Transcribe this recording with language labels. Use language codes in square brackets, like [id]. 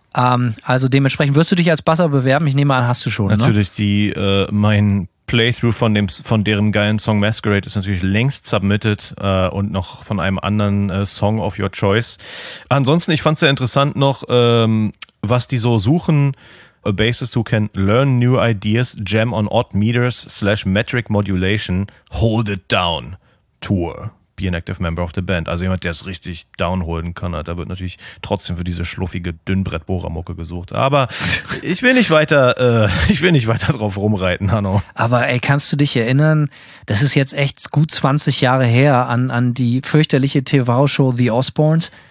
[de] Also dementsprechend wirst du dich als Basser bewerben. Ich nehme an, hast du schon. Natürlich, ne? Mein Playthrough von deren geilen Song Masquerade ist natürlich längst submitted und noch von einem anderen Song [en] of your choice. [de] Ansonsten, ich fand es sehr interessant noch, was die so suchen. [en] A bassist who can learn new ideas, jam on odd meters / metric modulation, hold it down, tour. be an active member of the band. [de] Also jemand, der es richtig downholen kann. Da wird natürlich trotzdem für diese schluffige Dünnbrett-Bohrer-Mucke gesucht. Aber ich will nicht weiter, drauf rumreiten, Hanno. Aber ey, kannst du dich erinnern, das ist jetzt echt gut 20 Jahre her, an die fürchterliche TV-Show The Osbournes?